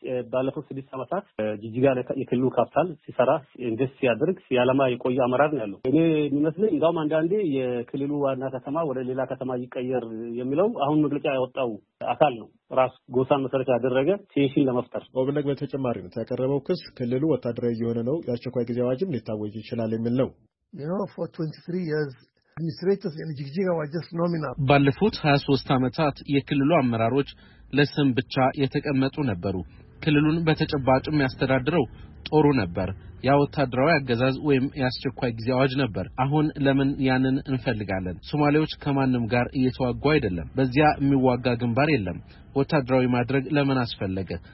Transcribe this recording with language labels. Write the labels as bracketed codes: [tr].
[am] ባለፈው 6 አመታት ጅጅጋ ላይ የክልሉ ካፒታል ሲሰራ ኢንቨስት ያደርግ ሲያለማ የቆየ አመራር ነው ያለው። እኔ የሚመስለኝ እንደውም አንዳንዴ የክልሉ ዋና ከተማ ወደ ሌላ ከተማ ይቀየር የሚለው አሁን መግለጫ ያወጣው አካል ነው። ራስ ጎሳን መሰረት ያደረገ ቴሽን ለመፍጠር ኦብነግ በተጨማሪ ነው ተቀረበው ክስ። ክልሉ ወታደራዊ የሆነ ነው ያቸኳይ ጊዜ አዋጅም ሊታወጅ ይችላል የሚል ነው። [en] You know, for 23 years administrators in Jigjiga were just nominal. [am] ባለፉት 23 አመታት የክልሉ አመራሮች ለስም ብቻ የተቀመጡ ነበሩ። ክልሉን በተጨባጭም ያስተዳድረው ጦሩ ነበር። ያውታድራው ያገዛዝ ወይም ያስቸኳይ ጊዜ አዋጅ ነበር። አሁን ለምን ያንን እንፈልጋለን? ሶማሌዎች ከማንም ጋር እየተዋጉ አይደለም። በዚያ የሚዋጋ ግንባር የለም። ወታደራዊ ማድረግ ለምን አስፈለገ?